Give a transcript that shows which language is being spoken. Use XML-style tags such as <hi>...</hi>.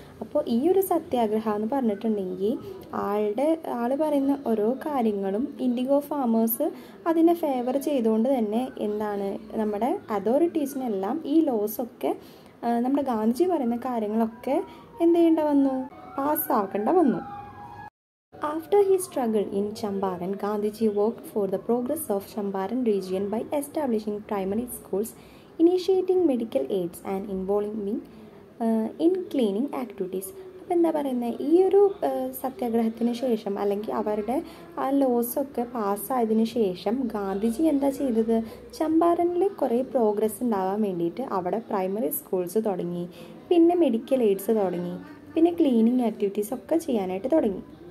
<ml>അപ്പോൾ ഈ ഒരു സത്യാഗ്രഹം എന്ന് പറഞ്ഞിട്ടുണ്ടെങ്കിൽ ആൾ പറയുന്ന ഓരോ കാര്യങ്ങളും ഇൻഡിഗോ ഫാമേഴ്സ് അതിനെ ഫേവർ ചെയ്തുകൊണ്ട് തന്നെ എന്താണ് നമ്മുടെ അതോറിറ്റീസിനെല്ലാം ഈ ലോസൊക്കെ നമ്മുടെ ഗാന്ധിജി പറയുന്ന കാര്യങ്ങളൊക്കെ എന്ത് ചെയ്യേണ്ട വന്നു, പാസ്സാക്കേണ്ട വന്നു.</ml> <en>After his struggle in Champaran, Gandhiji worked for the progress of Champaran region by establishing primary schools, initiating medical aids and involving in cleaning activities.</en> <ml>അപ്പോൾ എന്താ പറയുന്നത്, ഈ ഒരു സത്യാഗ്രഹത്തിന് ശേഷം അല്ലെങ്കിൽ അവരുടെ ആ ലോസൊക്കെ പാസ്സായതിന് ശേഷം ഗാന്ധിജി എന്താ ചെയ്തത്, ചമ്പാരനിൽ കുറേ പ്രോഗ്രസ് ഉണ്ടാവാൻ വേണ്ടിയിട്ട് അവിടെ പ്രൈമറി സ്കൂൾസ് തുടങ്ങി, പിന്നെ മെഡിക്കൽ എയ്ഡ്സ് തുടങ്ങി, പിന്നെ ക്ലീനിങ് ആക്ടിവിറ്റീസ് ഒക്കെ ചെയ്യാനായിട്ട് തുടങ്ങി.</ml>